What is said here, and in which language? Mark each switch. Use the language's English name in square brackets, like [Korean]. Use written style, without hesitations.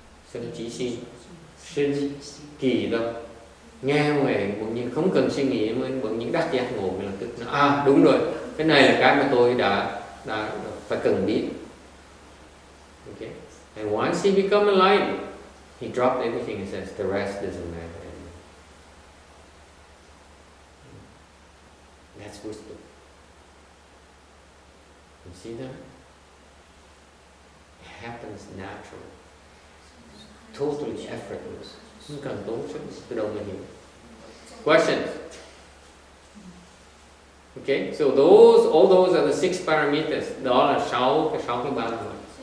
[Vietnamese] sân chí sinh sinh kỳ đâu nghe mà bỗng nhiên không cần suy nghĩ mà bỗng nhiên đắc giác ngộ là tức nó đúng rồi cái này là cái mà tôi đã phải cần biết. [English] Okay, and once he become enlightened, he dropped everything and says the rest doesn't matter anymore. That's wisdom. You see that? It happens naturally. Totally effortless. [Vietnamese] Không cần tốn sức, tự động mình hiểu. [English] Questions? Okay, so those, all those are the six parameters. [Vietnamese] Đó là sáu cái ba thôi.